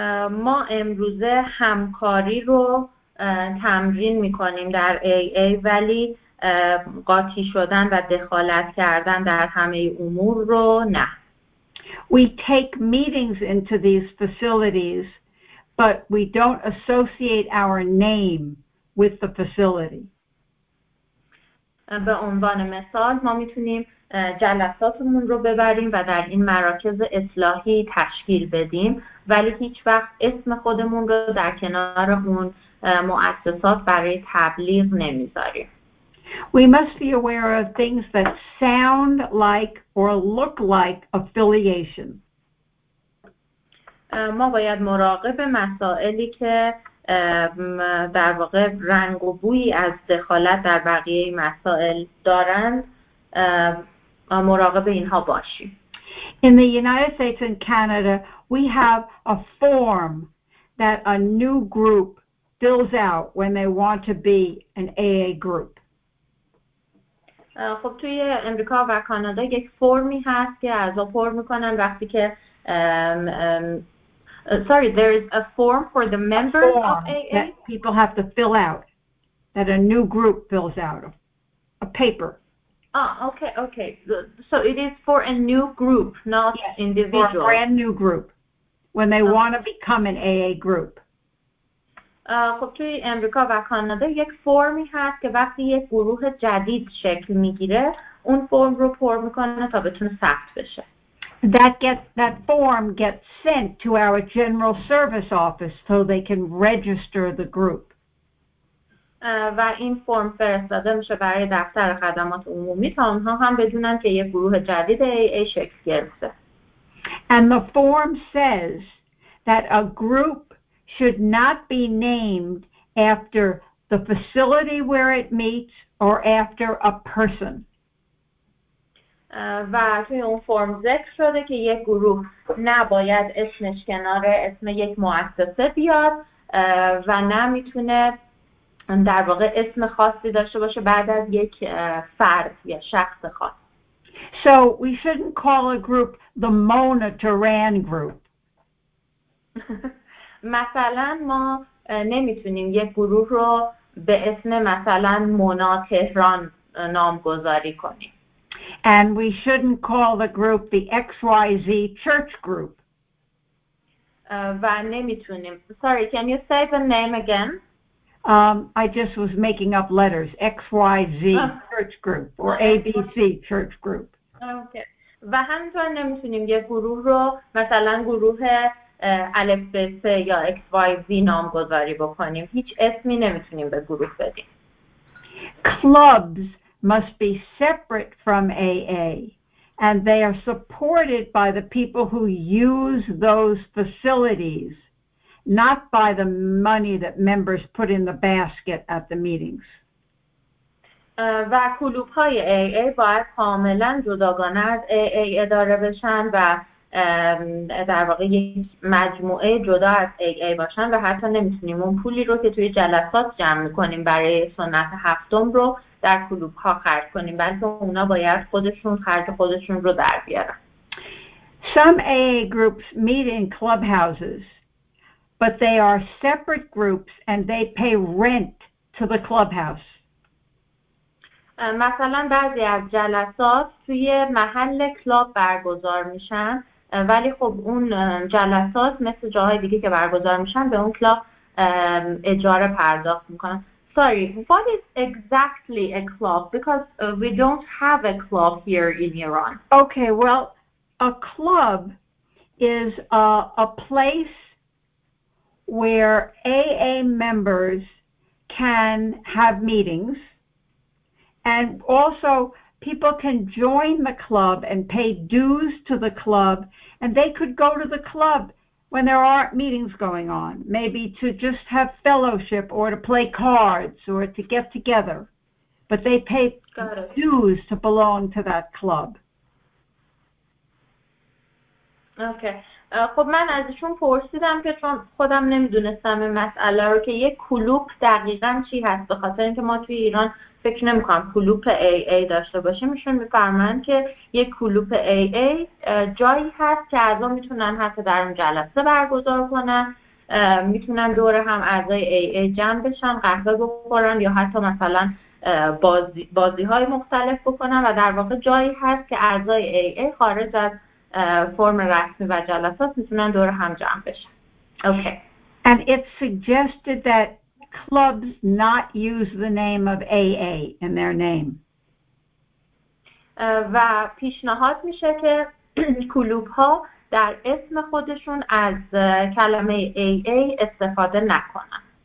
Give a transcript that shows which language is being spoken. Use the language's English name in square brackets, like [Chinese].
[Persian] ما امروزه همکاری رو تمرین میکنیم در AA، ولی قاطی شدن و دخالت کردن در همه امور رو نه. [English] We take meetings into these facilities, but we don't associate our name with the facility. [Persian] به عنوان مثال ما میتونیم جلساتمون رو ببریم و در این مراکز اصلاحی تشکیل بدیم، ولی هیچ وقت اسم خودمون رو در کنار اون مؤسسات برای تبلیغ نمیذاریم. [English] We must be aware of things that sound like or look like affiliation. [Persian] ما باید مراقب مسائلی که در واقع رنگ و بویی از دخالت در بقیه مسائل دارند مراقب اینها باشیم. [English] In the United States and Canada, we have a form that a new group fills out when they want to be an AA group. [Persian] خب توی امریکا و کانادا یک فرمی هست که اعضا پر میکنن وقتی که [English] Sorry, there is a form for the members of AA? That people have to fill out, that a new group fills out, a paper. Ah, okay, okay. So it is for a new group, not yes, individual. For a brand new group, when they want to become an AA group. [Persian] خب توی امریکا و کانادا یک فرمی هست که وقتی یک گروه جدید شکل میگیره اون فرم رو پر میکنه تا بتونه ثبت بشه. [English] That form gets sent to our general service office so they can register the group. [Persian] و این فرم فرستاده میشه برای دفتر خدمات عمومی تا اونها هم بدونن که یک گروه جدید AA شکل گرفته. [English] And the form says that a group should not be named after the facility where it meets or after a person. [Persian] و توی اون فرم ذکر شده که یک گروه نباید اسمش کنار اسم یک مؤسسه بیاد و نمیتونه در واقع اسم خاصی داشته باشه بعد از یک فرد یا شخص خاص. [English] So we shouldn't call a group the Mona Turan group. [Persian] مثلا ما نمیتونیم یک گروه رو به اسم مثلا مونا تهران نامگذاری کنیم. [English] And we shouldn't call the group the XYZ church group. [Persian] و نمیتونیم. [English] Sorry, can you say the name again? I just was making up letters. XYZ church group or ABC church group. Okay. [Persian] و همینطور نمیتونیم یک گروه رو مثلا گروه الف ب س یا اکس وای زی نام گذاری بکنیم. هیچ اسمی نمیتونیم به گروه بدیم. [English] Clubs must be separate from AA and they are supported by the people who use those facilities, not by the money that members put in the basket at the meetings. [Persian] و کلوب های AA باید کاملا جداگانه از AA اداره بشن و در واقع یک مجموعه جدا از AA باشن و حتی نمیتونیم اون پولی رو که توی جلسات جمع میکنیم برای سنت هفتم رو در کلوب ها خرج کنیم، بلکه اونا باید خودشون خرج خودشون رو در بیارن. [English] Some AA groups meet in clubhouses, but they are separate groups and they pay rent to the clubhouse. [Persian] مثلا بعضی از جلسات توی محل کلاب برگزار میشن، ولی خب اون جلسات مثل جاهای دیگه که برگزار میشن به اون کلاب اجاره پرداخت میکنن. [English] Sorry, what is exactly a club? Because we don't have a club here in Iran. Okay, well, a club is a place where AA members can have meetings, and also people can join the club and pay dues to the club, and they could go to the club when there aren't meetings going on, maybe to just have fellowship or to play cards or to get together, but they pay dues to belong to that club. Okay. [Persian] خب من ازشون پرسیدم که چون خودم نمیدونستم این مسئله رو که یک کلوب دقیقاً چی هست، به خاطر اینکه ما توی ایران فکر نمی‌کنم کلوب AA داشته باشه. میشون می‌فرمان که یک کلوب AA جایی هست که اعضا میتونن حتی در اون جلسه برگزار کنن، میتونن دور هم اعضای AA جمع بشن، قهوه بخورن یا حتی مثلا بازی‌های مختلف بکنن و در واقع جایی هست که اعضای AA خارج از فرم رسمی و جلسات میتونن دور هم جمع بشن. [English] Okay. And it's suggested that clubs not use the name of AA in their name. [Persian] و پیشنهاد میشه که کلوب ها در اسم خودشون از کلمه AA استفاده نکنن.